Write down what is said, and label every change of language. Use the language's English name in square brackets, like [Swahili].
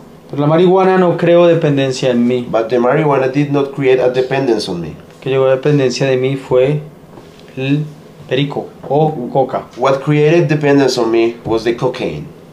[Spanish] Pero la marihuana no creó dependencia en mí. [English] But the marijuana did not create a dependence on me. [Spanish] Que llegó a dependencia de mí fue el perico o coca. [English] What created dependence on me was the cocaine.